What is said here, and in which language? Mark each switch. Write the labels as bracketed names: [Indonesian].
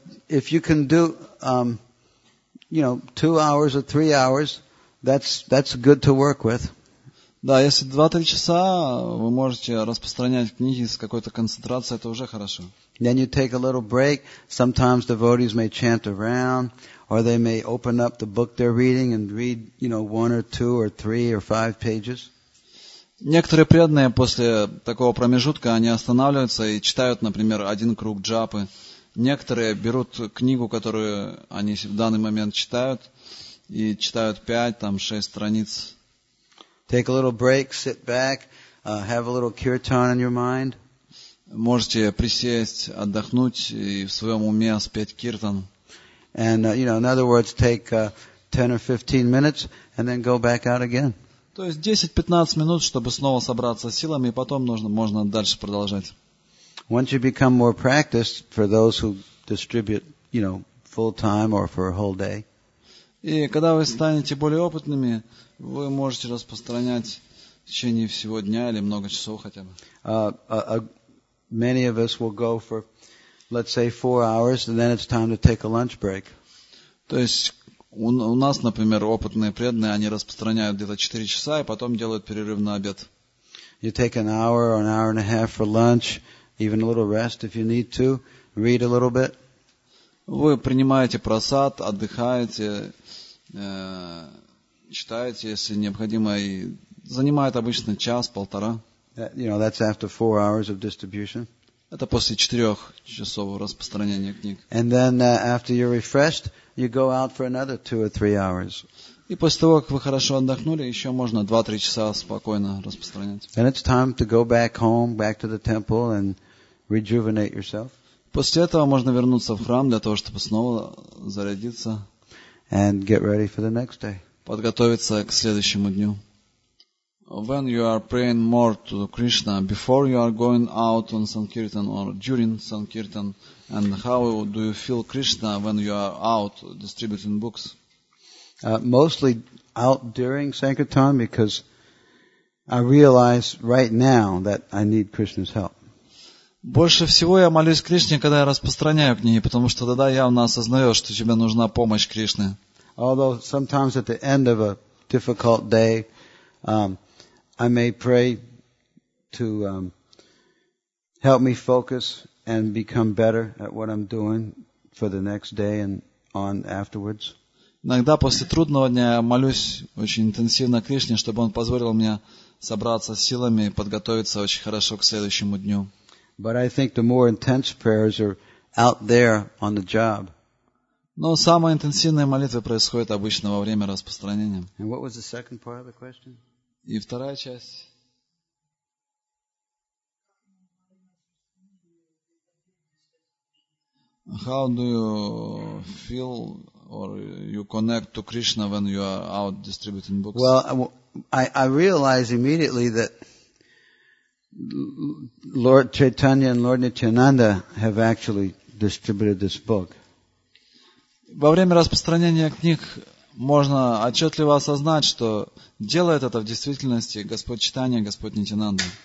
[English] If you can do, you know, 2 hours or 3 hours, that's good to work with. [Russian] Да, если 2-3 часа вы можете распространять книги с какой-то концентрацией, это уже хорошо. [English] Then you take a little break. Sometimes devotees may chant around, or they may open up the book they're reading and read, you know, 1 or 2 or 3 or 5 pages. [Russian] Некоторые преданные после такого промежутка они останавливаются и читают, например, один круг джапы. Некоторые берут книгу, которую они в данный момент читают, и читают 5-6 страниц. [English] Take a little break, sit back, have a little kirtan in your mind. [Russian] Можете присесть, отдохнуть и в своем уме спеть киртан. [English] And, you know, in other words, take 10 or 15 minutes and then go back out again. [Russian] То есть 10-15 минут, чтобы снова собраться силами, и потом можно дальше продолжать. [English] Once you become more practiced for those who distribute, you know, full time or for a whole day. [Russian] И когда вы станете более опытными, вы можете распространять в течение всего дня или много часов хотя бы. [English] Many of us will go for, let's say, 4 hours, and then it's time to take a lunch break. [Russian] То есть у нас, например, опытные преданные, они распространяют где-то 4 часа, и потом делают перерыв на обед. [English] You take an hour or an hour and a half for lunch, even a little rest if you need to, read a little bit. [Russian] Вы принимаете просад, отдыхаете, читаете, если необходимо, и занимает обычно час-полтора. [English] You know, that's after 4 hours of distribution. [Russian] Это после 4 часов распространения книг. [English] And then after you're refreshed, you go out for another 2 or 3 hours. [Russian] И после того, как вы хорошо отдохнули, еще можно 2-3 часа спокойно распространять. [English] And it's time to go back home, back to the temple and rejuvenate yourself. [Russian] После этого можно вернуться в храм для того, чтобы снова зарядиться. [English] And get ready for the next day. [Russian] Подготовиться к следующему дню. [English] When you are praying more to Krishna, before you are going out on Sankirtan or during Sankirtan, and how do you feel Krishna when you are out distributing books? Mostly out during Sankirtan because I realize right now that I need Krishna's help. [Russian] Больше всего я молюсь Кришне, когда я распространяю книги, потому что тогда явно осознаю, что тебе нужна помощь Кришны. [English] Although sometimes at the end of a difficult day, I may pray to help me focus and become better at what I'm doing for the next day and on afterwards. [Russian] Иногда после трудного дня молюсь очень интенсивно Кришне, чтобы он позволил мне собраться с силами и подготовиться очень хорошо к следующему дню. [English] But I think the more intense prayers are out there on the job. [Russian] Но самые интенсивные молитвы происходят обычно во время распространения. [English] And what was the second part of the question? [Russian] И вторая часть. [English] How do you feel or you connect to Krishna when you are out distributing books? Well, I realize immediately that Lord Chaitanya and Lord Nityananda have actually distributed this book. [Russian] Во время распространения книг можно отчетливо осознать, что делает это в действительности Господь Чайтанья, Господь Нитянанда.